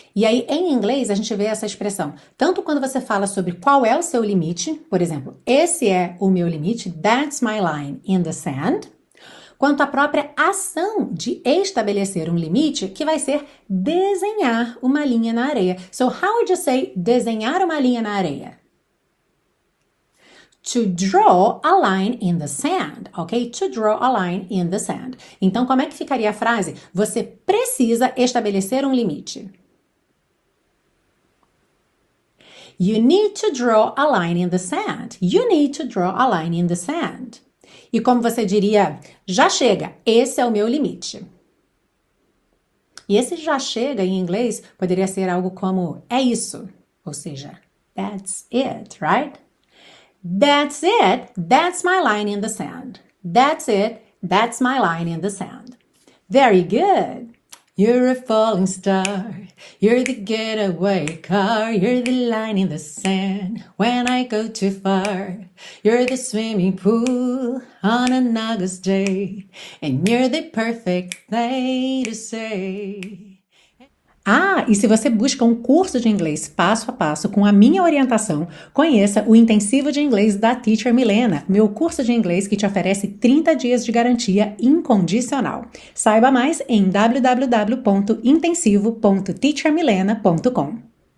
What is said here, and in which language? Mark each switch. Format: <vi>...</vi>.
<pt>E aí, em inglês, a gente vê essa expressão. Tanto quando você fala sobre qual é o seu limite, por exemplo, esse é o meu limite,</pt> <en>that's my line in the sand,</en> <pt>quanto a própria ação de estabelecer um limite, que vai ser desenhar uma linha na areia.</pt> <en>So, how would you say</en> <pt>desenhar uma linha na areia?</pt> <en>To draw a line in the sand, ok? To draw a line in the sand.</en> <pt>Então, como é que ficaria a frase? Você precisa estabelecer um limite.</pt> <en>You need to draw a line in the sand. You need to draw a line in the sand.</en> <pt>E como você diria, já chega, esse é o meu limite. E esse já chega, em inglês, poderia ser algo como, é isso. Ou seja,</pt> <en>that's it, right? That's it, that's my line in the sand. That's it, that's my line in the sand. Very good. You're a falling star, you're the getaway car, you're the line in the sand when I go too far. You're the swimming pool on an August day, and you're the perfect thing to say.</en> <pt>Ah, e se você busca um curso de inglês passo a passo com a minha orientação, conheça o Intensivo de Inglês da Teacher Milena, meu curso de inglês que te oferece 30 dias de garantia incondicional. Saiba mais em www.intensivo.teachermilena.com.</pt>